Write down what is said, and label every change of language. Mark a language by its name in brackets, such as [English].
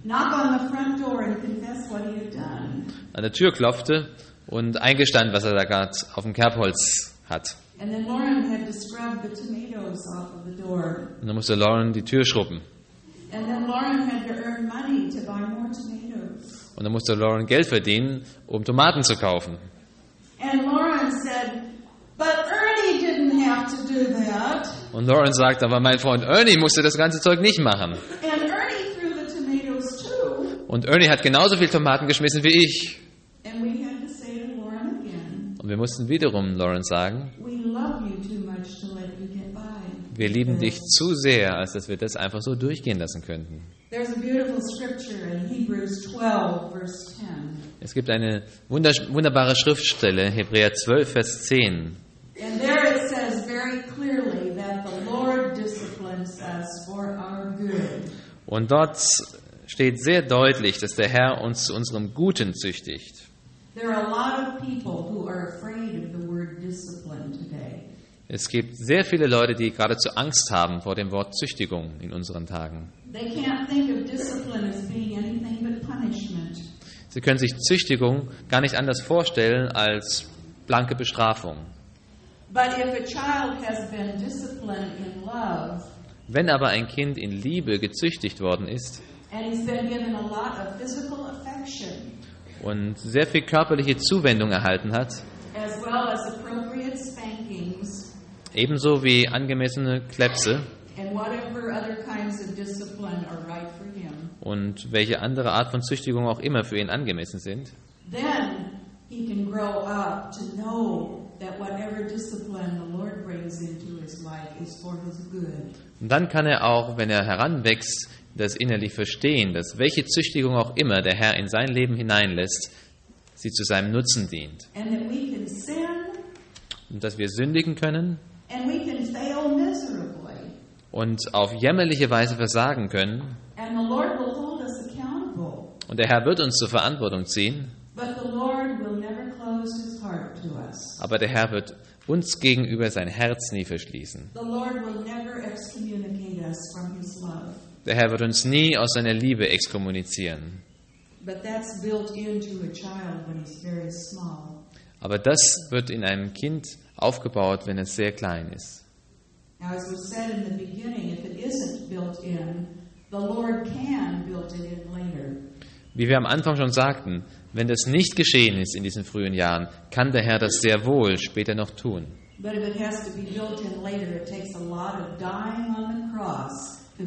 [English] Knocked on the front door and confessed what he had done. [German] An der Tür klopfte und eingestand, was er da gerade auf dem Kerbholz hat. [English] And then Lauren had to scrub the tomatoes off of the door. [German] Und dann musste Lauren die Tür schrubben. [English] And then Lauren had to earn money to buy more tomatoes. [German] Und dann musste Lauren Geld verdienen, um Tomaten zu kaufen. [English] And Lauren said, but Ernie didn't have to do that. [German] Und Lauren sagt, aber mein Freund Ernie musste das ganze Zeug nicht machen. [English] And Ernie threw the tomatoes too. [German] Und Ernie hat genauso viel Tomaten geschmissen wie ich. [English] And we had to say to Lauren again, [German] und wir mussten wiederum Lauren sagen, [English] we love you too much to let you get by. [German] Wir lieben dich zu sehr, als dass wir das einfach so durchgehen lassen könnten. [English] There's a beautiful scripture in Hebrews 12, verse 10. [German] Es gibt eine wunderbare Schriftstelle, Hebräer 12, Vers 10. [English] And there it says very clearly that the Lord disciplines us for our good. [German] Und dort steht sehr deutlich, dass der Herr uns zu unserem Guten züchtigt. [English] There are a lot of people who are afraid of the word discipline today. [German] Es gibt sehr viele Leute, die geradezu Angst haben vor dem Wort Züchtigung in unseren Tagen. [English] They can't think of discipline as being anything but punishment. [German] Sie können sich Züchtigung gar nicht anders vorstellen als blanke Bestrafung. [English] But if a child has been disciplined in love, [German] wenn aber ein Kind in Liebe gezüchtigt worden ist [English] and he's been given a lot of physical affection, [German] und sehr viel körperliche Zuwendung erhalten hat, [English] as well as appropriate spankings, [German] ebenso wie angemessene Kläpse [English] and whatever other kinds of discipline are right for him, [German] und welche andere Art von Züchtigung auch immer für ihn angemessen sind, [English] then he can grow up to know that whatever discipline the Lord brings into his life is for his good. [German] Und dann kann er auch, wenn er heranwächst, das innerlich verstehen, dass welche Züchtigung auch immer der Herr in sein Leben hineinlässt, sie zu seinem Nutzen dient. [English] And that we can sin, [German] und dass wir sündigen können [English] and we can fail miserably, [German] und auf jämmerliche Weise versagen können [English] and the Lord will hold us accountable, [German] und der Herr wird uns zur Verantwortung ziehen, [English] but the Lord will never close his heart to us. [German] Aber der Herr wird uns gegenüber sein Herz nie verschließen. [English] The Lord will never excommunicate us from his love. [German] Der Herr wird uns nie aus seiner Liebe exkommunizieren. [English] But that's built into a child when he's very small. [German] Aber das wird in einem Kind aufgebaut, wenn es sehr klein ist. [English] Now, as we said in the beginning, if it isn't built in, the Lord can build it in later. [German] Wie wir am Anfang schon sagten, wenn das nicht geschehen ist in diesen frühen Jahren, kann der Herr das sehr wohl später noch tun. [English] But if it has to be built in later, it takes a lot of dying on the cross.